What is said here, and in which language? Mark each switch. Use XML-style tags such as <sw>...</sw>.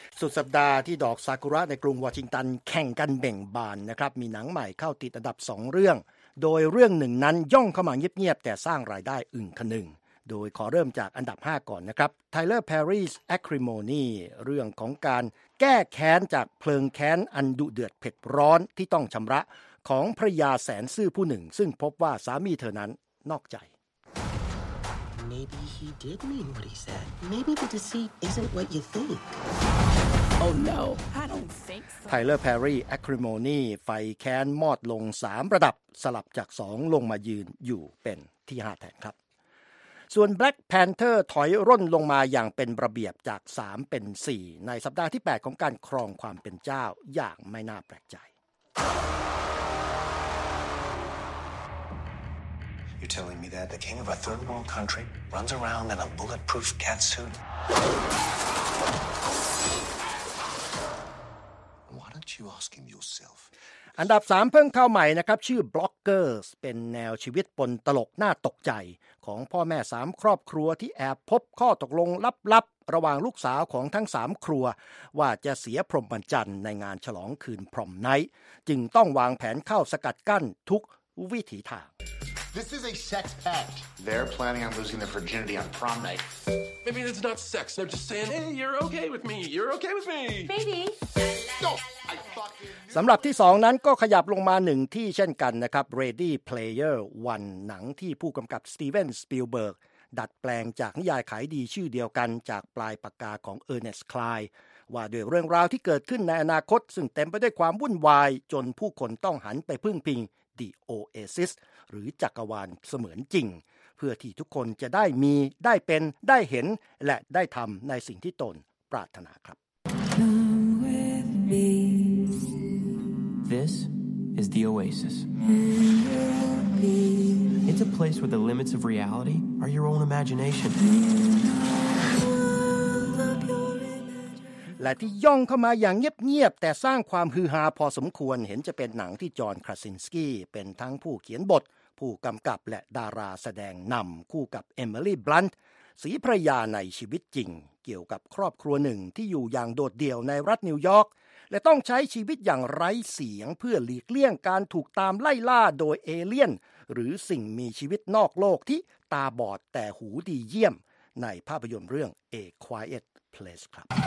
<th>สุดสัปดาห์ที่ดอกซากุระในกรุงวอชิงตันแข่งกันเบ่งบานนะครับมีหนังใหม่เข้าติดอันดับ2เรื่องโดยเรื่องหนึ่งนั้นย่องเข้ามาเงียบๆแต่สร้างรายได้อึ่งคนึงโดยขอเริ่มจากอันดับ5ก่อนนะครับ Tyler Perry's Acrimony เรื่องของการแก้แค้นจากเพลิงแค้นอันดุเดือดเผ็ดร้อนที่ต้องชำระของภรรยาแสนซื่อผู้หนึ่งซึ่งพบว่าสามีเธอนั้นนอกใจ</th> <en>Maybe he did mean what he said. Maybe the deceit isn't what you think. Oh no. I don't think so.</en> <th>Tyler Perry Acrimony ไฟแค้นมอดลง3ระดับสลับจาก2ลงมายืนอยู่เป็นที่5แทนครับส่วน Black Panther ถอยร่นลงมาอย่างเป็นระเบียบจาก3เป็น4ในสัปดาห์ที่8ของการครองความเป็นเจ้าอย่างไม่น่าแปลกใจ</th> <en>You're telling me that the king of a third world country runs around in a bulletproof cat suit? Why don't you ask him yourself?</en> <th>อันดับ3เพิ่งเข้าใหม่นะครับชื่อ Blockers เป็นแนวชีวิตปนตลกน่าตกใจของพ่อแม่3ครอบครัวที่แอบพบข้อตกลงลับๆระหว่างลูกสาวของทั้ง3ครัวว่าจะเสียพรหมจรรย์ในงานฉลองคืนพรหมไนท์จึงต้องวางแผนเข้าสกัดกั้นทุกวิถีทาง</th> <en>This is a sex pact. They're planning on losing their virginity on prom night. Maybe that's not sex. They're just saying, "Hey, you're okay with me. You're okay with me." Maybe. No.</en> <th>สำหรับที่2นั้นก็ขยับลงมา1ที่เช่นกันนะครับ Ready Player One หนังที่ผู้กำกับสตีเวนสปีลเบิร์กดัดแปลงจากนิยายขายดีชื่อเดียวกันจากปลายปากกาของเออร์เนสต์คลาย ว่าด้วยเรื่องราวที่เกิดขึ้นในอนาคตซึ่งเต็มไปด้วยความวุ่นวายจนผู้คนต้องหันไปพึ่งพิง The Oasis หรือจักรวาลเสมือนจริงเพื่อที่ทุกคนจะได้มีได้เป็นได้เห็นและได้ทำในสิ่งที่ตนปรารถนาครับ</th> <en>This is the Oasis.</en> <th>It's a place where the limits of reality are your own imagination. และที่ย่องเข้ามาอย่างเงียบๆแต่สร้างความฮือฮาพอสมควรเห็นจะเป็นหนังที่จอห์นคราซินสกี้เป็นทั้งผู้เขียนบทผู้กำกับและดาราแสดงนำคู่กับเอมิลี่บลันท์ ศรีภรรยาในชีวิตจริงเกี่ยวกับครอบครัวหนึ่งที่อยู่อย่างโดดเดี่ยวในรัฐนิวยอร์กและต้องใช้ชีวิตอย่างไร้เสียงเพื่อหลีกเลี่ยงการถูกตามไล่ล่าโดยเอเลี่ยนหรือสิ่งมีชีวิตนอกโลกที่ตาบอดแต่หูดีเยี่ยมในภาพยนตร์เรื่อง A Quiet Place ครับ</th>